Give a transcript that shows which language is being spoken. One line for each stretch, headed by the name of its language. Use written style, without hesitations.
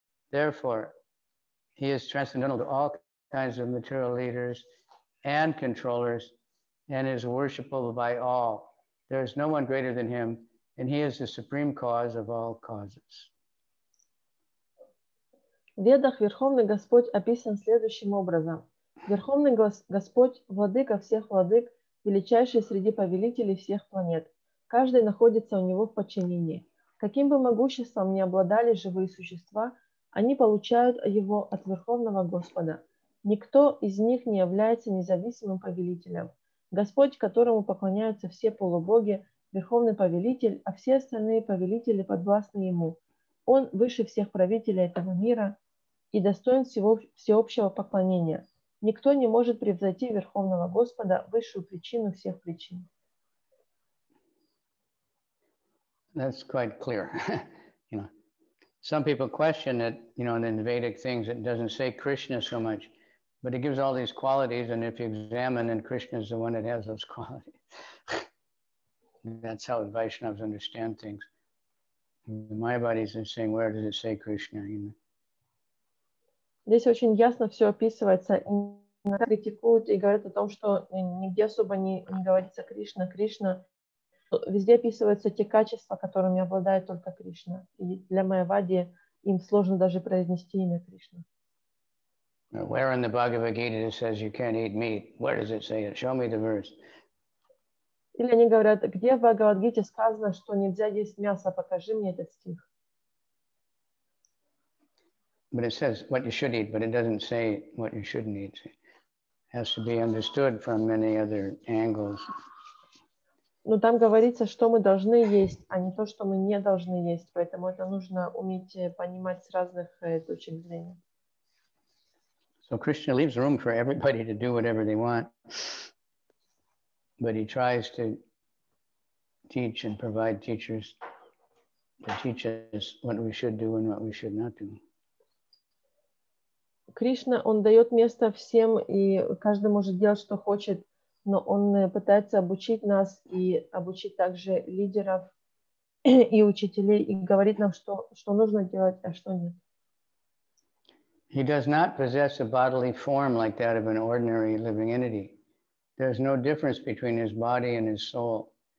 English: Therefore, he is transcendental to all kinds of material leaders and controllers, and is worshipable by all. There is no one greater than him, and he is the supreme cause of all causes.
Russian: В Ведах Верховный Господь описан следующим образом. Верховный Господь, владыка всех владык, величайший среди повелителей всех планет. Каждый находится у него в подчинении. Каким бы могуществом ни обладали живые существа, они получают его от Верховного Господа. Никто из них не является независимым повелителем. Господь, которому поклоняются все полубоги, Верховный Повелитель, а все остальные повелители подвластны ему. Он выше всех правителей этого мира и достоин всеобщего поклонения. Никто не может превзойти Верховного Господа, высшую причину всех причин.
English: That's quite clear. You know, some people question that, you know, in the Vedic things, it doesn't say Krishna so much, but it gives all these qualities, and if you examine, then Krishna is the one that has those qualities. That's how Vaishnavas understand things. My body is saying, where does it say Krishna? You know?
Russian: Здесь очень ясно все описывается. Иногда критикуют и говорят о том, что нигде особо не говорится Кришна, Кришна. Везде описываются те качества, которыми обладает только Кришна. И для Майявади им сложно даже произнести имя Кришна.
English: Where in the Bhagavad Gita it says you can't eat meat? Where does it say it? Show me the verse.
Russian: Или они говорят, где в Бхагавад Гите сказано, что нельзя есть мясо? Покажи мне этот стих.
English: But it says what you should eat, but it doesn't say what you shouldn't eat. It has to be understood from many other angles.
Russian: Но там говорится, что мы должны есть, а не то, что мы не должны есть. Поэтому это нужно уметь понимать с разных точек зрения.
English: So Krishna leaves room for everybody to do whatever they want. But he tries to teach and provide teachers to teach us what we should do and what we should not do.
Russian: Кришна, он дает место всем, и каждый может делать, что хочет, но он пытается обучить нас и обучить также лидеров и учителей, и говорит нам, что нужно делать, а что нет.
English: He does not possess a bodily form like that of an ordinary living entity. There's no difference between his body and his soul.